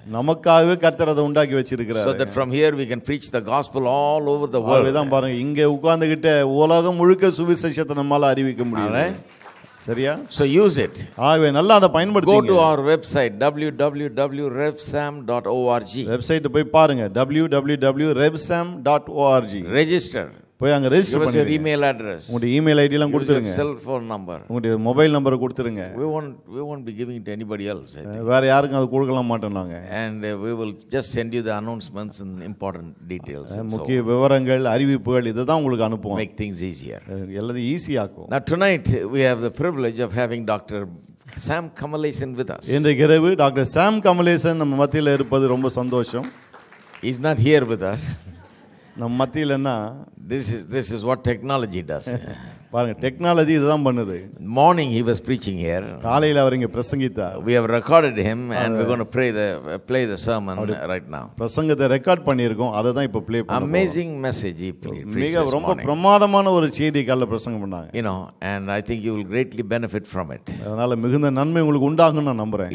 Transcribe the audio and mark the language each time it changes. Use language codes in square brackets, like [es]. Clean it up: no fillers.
[ta] நமக்காகவே கர்த்தர் அதை உண்டாக்கி வச்சிருக்கிறார். [en] So that from here we can preach the gospel all over the world. [ta] அதான் பாருங்க, இங்க உட்கார்ந்திட்ட உலகம் முழுக்க சுவிசேஷத்தை நம்மால அறிவிக்க முடியும். சரியா? [en] So use it. [ta] ஆகவே நல்லா அதை பயன்படுத்துங்க. [en] Go to our website www.revsam.org. [ta] Website போய் பாருங்க, www.revsam.org. [en] register. [ta] போய் அங்க ரெஜிஸ்டர் பண்ணுங்க. [en] Your email address. [ta] உங்களுடைய email ID எல்லாம் கொடுத்துருங்க. [en] Cell phone number. [ta] உங்களுடைய மொபைல் நம்பர் கொடுத்துருங்க. [en] We won't be giving it to anybody else. [ta] வேற யாருக்கும் அது கொடுக்கல மாட்டோம் நாங்க. [en] And we will just send you the announcements and important details. [ta] முக்கிய விவரங்கள், அறிவிப்புகள் இதுதான் உங்களுக்கு அனுப்புவோம். [en] Make things easier. [ta] எல்லாத்தையும் ஈஸியாக்குவோம். [en] Now tonight we have the privilege of having Dr. Sam Kamalesan with us. [ta] இன்றைக்கு இரவு டாக்டர் சாம் கமலேசன் நம்ம மத்தியில் இருப்பது ரொம்ப சந்தோஷம். [en] He is not here with us. [ta] நம்ம மத்தியிலன்னா [en] this is what technology does. [ta] பாருங்க, டெக்னாலஜி இதுதான் பண்ணுது. [en] Morning he was preaching here. [ta] காலையில அவர் இங்க பிரசங்கித்தார். [en] We have recorded him and we're going to play the sermon right now. [ta] பிரசங்கத்தை ரெக்கார்ட் பண்ணியிருக்கோம், அத தான் இப்ப ப்ளே பண்ணோம். [en] Amazing message he preached. [ta] மிக ரொம்ப பிரமாதமான ஒரு செய்தி காலையில பிரசங்கம் பண்ணாங்க. [en] You know, and I think you will greatly benefit from it. [ta] அதனால மிகுந்த நன்மை உங்களுக்கு உண்டாகும்னு நான் நம்புறேன்.